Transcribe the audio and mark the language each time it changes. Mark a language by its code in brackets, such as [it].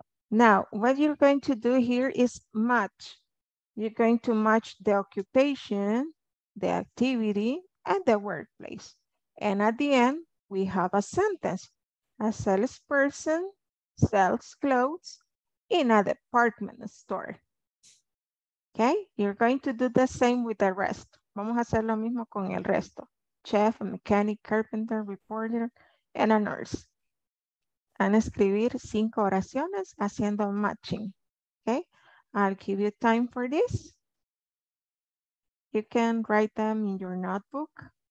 [en] Now, what you're going to do here is match. You're going to match the occupation, the activity, and the workplace. And at the end, we have a sentence. A salesperson sells clothes in a department store. Okay, you're going to do the same with the rest. [es] Vamos a hacer lo mismo con el resto. [en] Chef, a mechanic, carpenter, reporter, and a nurse. [es] And escribir 5 oraciones haciendo matching. [en] Okay, I'll give you time for this. You can write them in your notebook.